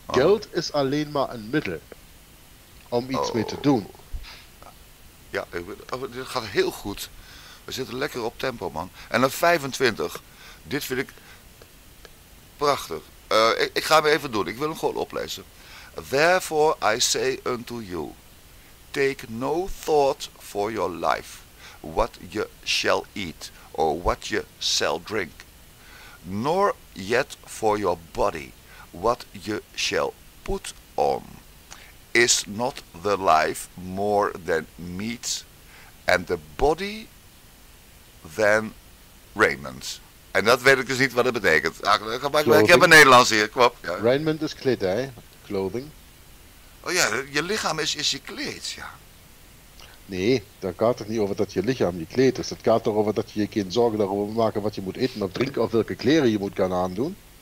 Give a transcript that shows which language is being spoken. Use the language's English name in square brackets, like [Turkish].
[Dutch] Geld is alleen maar een middel om iets mee te doen. Ja, dit gaat heel goed. We zitten lekker op tempo, man. En een 25, dit vind ik prachtig. Ik ga hem even doen, ik wil hem gewoon oplezen. [English] Therefore I say unto you, take no thought for your life, what you shall eat, or what you shall drink, nor yet for your body, what you shall put on. Is not the life more than meat, and the body than raiment? [Dutch] En dat weet ik dus niet wat het betekent. Ik heb een Nederlands hier, kwap. Ja. Raiment is kledij, clothing. Oh ja, je lichaam is je kleed, ja. Nee, dat gaat toch niet over dat je lichaam je kleed is. Het gaat erover dat je je geen zorgen daarover maken wat je moet eten of drinken of welke kleren je moet gaan aandoen.